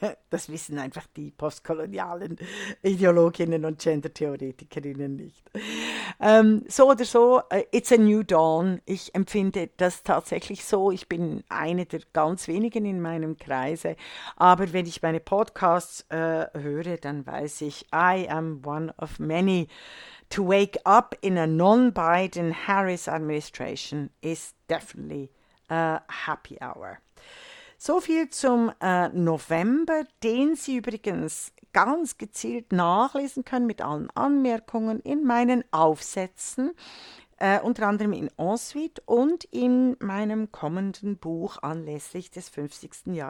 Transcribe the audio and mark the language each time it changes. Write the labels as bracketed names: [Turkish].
[German] Das wissen einfach die postkolonialen Ideologinnen und Gender-Theoretikerinnen nicht. So oder so, [English] it's a new dawn. [German] Ich empfinde das tatsächlich so. Ich bin eine der ganz wenigen in meinem Kreise. Aber wenn ich meine Podcasts höre, dann weiß ich, [English] I am one of many. To wake up in a non-Biden-Harris-Administration is definitely a happy hour. [German] So viel zum November, den Sie übrigens ganz gezielt nachlesen können mit allen Anmerkungen in meinen Aufsätzen, unter anderem in Ensuite und in meinem kommenden Buch anlässlich des 50.